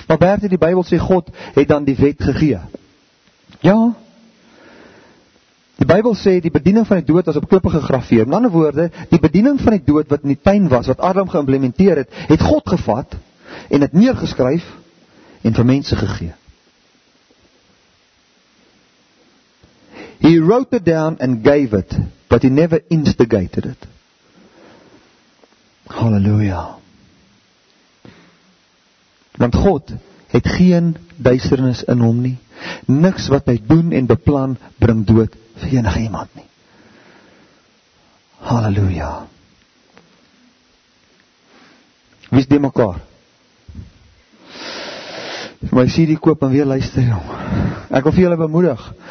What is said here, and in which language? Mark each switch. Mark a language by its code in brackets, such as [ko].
[af] Maar Bertie, die Bybel sê, God het dan die wet gegee. Ja, die Bybel sê, die bediening van die dood was op klippe gegraveer. In ander woorde, die bediening van die dood wat in die tuin was, wat Adam geïmplementeer het, het God gevat, en het neergeskryf, en vir mense gegee. [en] He wrote it down and gave it, but he never instigated it. [af] Halleluja. Want God het geen duisternis in hom nie. Niks wat hy doen en beplan bring dood vir enige iemand nie. Halleluja. Wie is die mekaar? My CD koop en weer luister jou. Ek wil vir julle bemoedig.